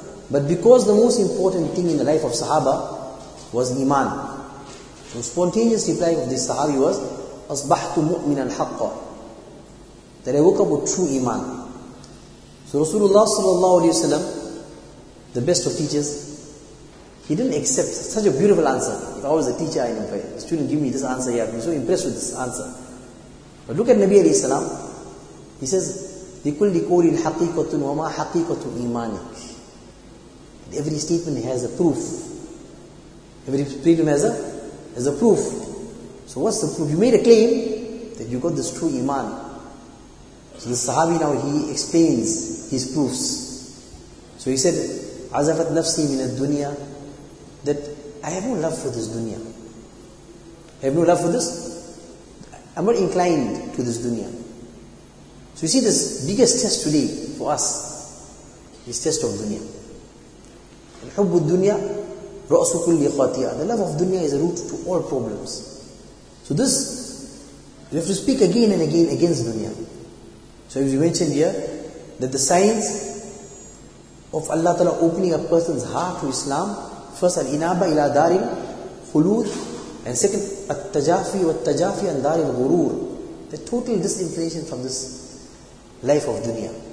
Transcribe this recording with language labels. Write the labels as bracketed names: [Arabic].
[English] But because the most important thing in the life of Sahaba was Iman, so spontaneous reply of this Sahabi was, [Arabic] أَصْبَحْتُ مُؤْمِنًا حَقًّا. [English] That I woke up with true Iman. So Rasulullah sallallahu alayhi wa sallam, the best of teachers, he didn't accept such a beautiful answer. If I was a teacher, I know, student, give me this answer, yeah, I'd be so impressed with this answer. But look at Nabi alayhi salam. He says, [Arabic] لِكُلِّ قَوْلٍ حَقِيقَةٌ وَمَا حَقِيقَةُ إِيمَانِكَ. [English] Every statement has a proof. Every statement has a proof. So what's the proof? You made a claim that you got this true Iman. So the Sahabi now, he explains his proofs. So he said, [Arabic] عَزَفَتْ نَفْسِي مِنَ الدُّنْيَا. [English] That I have no love for this dunya. I have no love for this. I'm not inclined to this dunya. So you see, this biggest test today for us is test of dunya. [Arabic] الحب الدنيا رأس كل خطيئة. [English] The love of dunya is a root to all problems. So this, we have to speak again and again against dunya. So as we mentioned here, that the signs of Allah Ta'ala opening a person's heart to Islam, first al-inaba ila daril khulud, and second at-tajafi wa at-tajafi an daril ghurur, the total disinclination from this life of dunya.